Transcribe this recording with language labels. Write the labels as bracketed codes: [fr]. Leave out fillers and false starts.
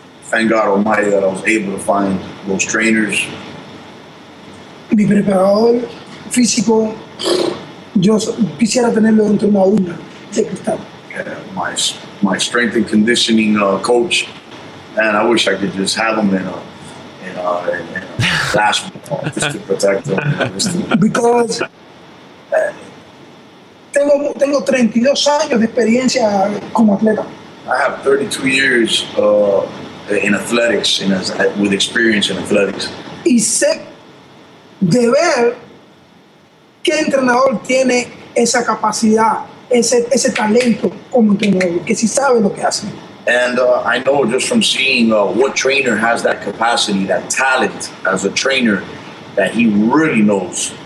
[en] Thank God Almighty that I was able to find those trainers. [es] Mi preparador físico, yo quisiera tenerlo dentro de una urna de cristal. [en] Yeah, my strength and conditioning coach, man, I wish I could just have him in a... just to protect them. [es] Because tengo 32 años de experiencia como atleta. [en] I have 32 years in athletics, with experience in athletics. [es] Y sé de ver qué entrenador tiene esa capacidad, ese talento como entrenador, que si sabe lo que hace. [en] And I know just from seeing what trainer has that capacity, that talent as a trainer, that he really knows.